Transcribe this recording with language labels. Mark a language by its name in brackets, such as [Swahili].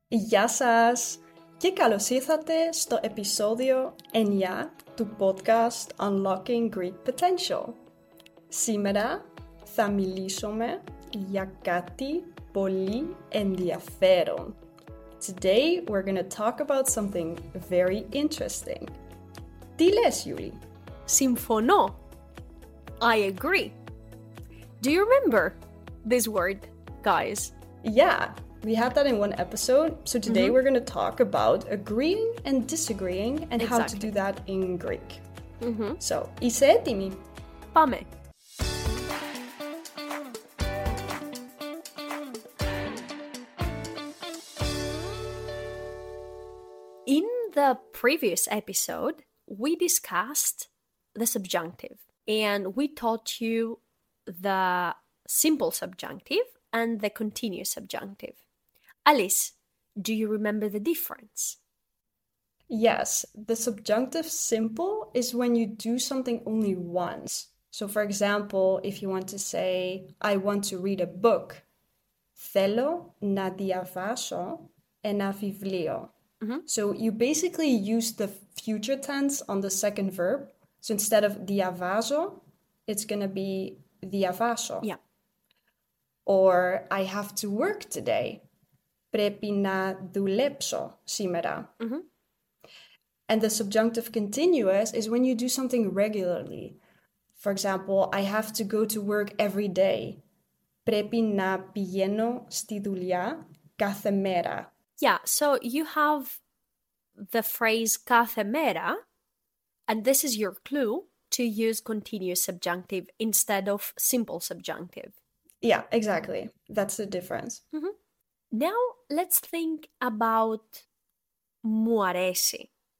[Greek] Γεια σας και καλώς ήρθατε στο επεισόδιο 9 του podcast Unlocking Great Potential. Σήμερα θα μιλήσουμε για κάτι πολύ ενδιαφέρον. [English] Today we're going to talk about something very interesting. [Greek] Τι λες, Yuli? Συμφωνώ. [English] I agree. Do you remember this word, guys? Yeah. We had that in one episode, so today we're going to talk about agreeing and disagreeing and how to do that in Greek. So, [Greek] είσαι έτοιμη? Πάμε! [English] In the previous episode, we discussed the subjunctive and we taught you the simple subjunctive and the continuous subjunctive. Alice, do you remember the difference? Yes, the subjunctive simple is when you do something only once. So for example, if you want to say, I want to read a book. [Greek] Θέλω να διαβάσω ένα βιβλίο. [English] So you basically use the future tense on the second verb. So instead of [Greek] διαβάζω, [English] it's going to be [Greek] διαβάσω. [English] Yeah. Or I have to work today. [Greek] Πρέπει να δουλέψω σήμερα. [English] And the subjunctive continuous is when you do something regularly. For example, I have to go to work every day. [Greek] Πρέπει να πηγαίνω στη δουλειά κάθε μέρα. [English] Yeah, so you have the phrase [Greek] κάθε μέρα, [English] and this is your clue to use continuous subjunctive instead of simple subjunctive. Yeah, exactly. That's the difference. Now, let's think about [Greek] μου αρέσει.